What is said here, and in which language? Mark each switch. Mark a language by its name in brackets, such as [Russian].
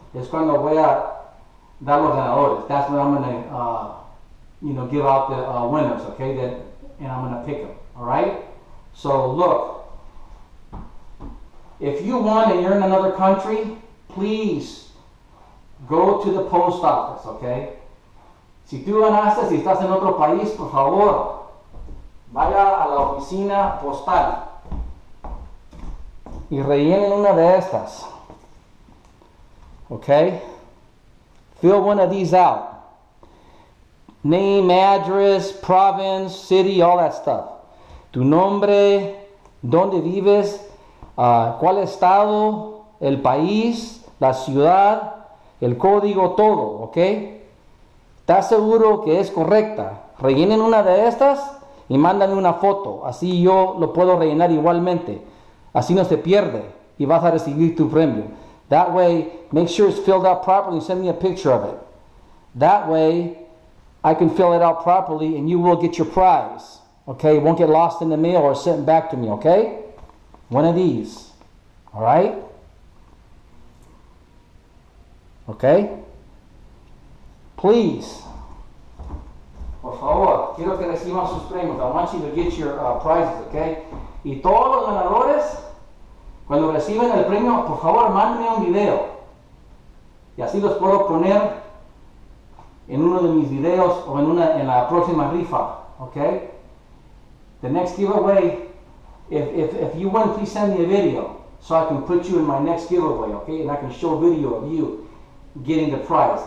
[Spanish] Es cuando voy a dar los ganadores. [English] That's when I'm gonna, you know, give out the winners, okay? That, and I'm gonna pick them, all right? So look, if you won and you're in another country, please go to the post office, okay? [Spanish] Si tú ganaste, si estás en otro país, por favor, vaya a la oficina postal y rellenen una de estas, okay? [English] Fill one of these out. Name, address, province, city, all that stuff. [Spanish] Tu nombre, dónde vives, cuál estado, el país, la ciudad, el código, todo, ¿ok? ¿Estás seguro que es correcta? Rellenen una de estas y mándame una foto. Así yo lo puedo rellenar igualmente. Así no se pierde y vas a recibir tu premio. [English] That way, make sure it's filled out properly and send me a picture of it. That way, I can fill it out properly and you will get your prize. Okay, it won't get lost in the mail or sent back to me, okay? one of these. All right? Okay? Please. [Spanish] Por favor, quiero que reciban sus premios. [English] I want you to get your prizes, okay? [Spanish] Y todos los ganadores, cuando reciben el premio, por favor, mándenme un video. Y así los puedo poner en uno de mis videos o en la próxima rifa, okay? [English] The next giveaway, if you win, please send me a video so I can put you in my next giveaway, okay? And I can show a video of you getting the prize.